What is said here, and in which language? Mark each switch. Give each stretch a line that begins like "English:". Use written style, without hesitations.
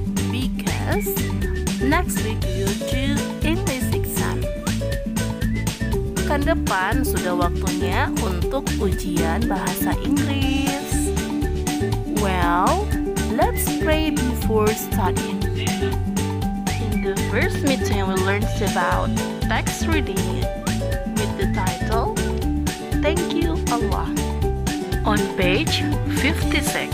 English: Because next week you do in this exam.
Indonesian: Pekan depan sudah waktunya untuk ujian bahasa Inggris.
English: Well, let's pray before studying. In the first meeting we learned about text reading with the title Thank You Allah on page 56.